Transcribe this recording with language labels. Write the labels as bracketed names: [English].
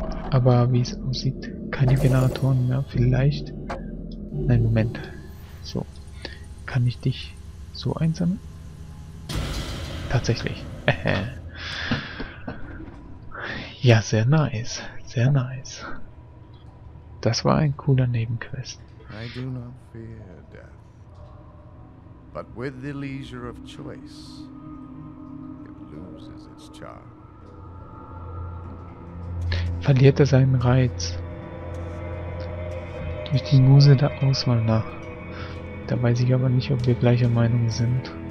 [German] Aber wie es aussieht, keine Generatoren mehr. Vielleicht. Nein, Moment. So. Kann ich dich so einsammeln? Tatsächlich. Ja, sehr nice. Sehr nice. Das war ein cooler Nebenquest. [English] I do not fear death. But with the leisure of choice, it loses its charm. [German] Verliert er seinen Reiz durch die Muse der Auswahl nach. Da weiß ich aber nicht, ob wir gleicher Meinung sind.